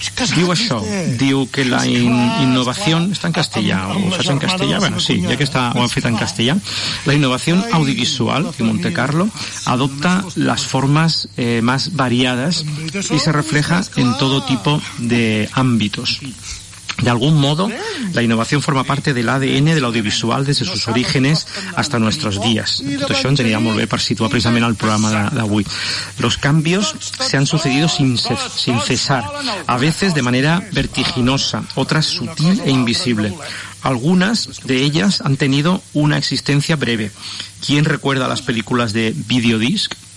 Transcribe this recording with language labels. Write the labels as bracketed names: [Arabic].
[Catalan] Diu això, diu que la innovació està en castellà, ho faig en castellà? Bueno, sí, ja que està, ho han fet en castellà. La innovació audiovisual, diu Monte Carlo, adopta les formes més variades i [Spanish] se refleja en todo tipo de ámbitos. De algún modo, la innovación forma parte del ADN de [Catalan] l'audiovisual des de [Spanish] sus orígenes hasta nuestros días. [Catalan] Tot això ens anirà molt bé per situar precisament el programa d'avui. [Spanish] Los cambios se han sucedido sin cesar, a veces de manera vertiginosa, otras sutil e invisible. Algunas de ellas han tenido una existencia breve. ¿Quién recuerda las películas de videodisc?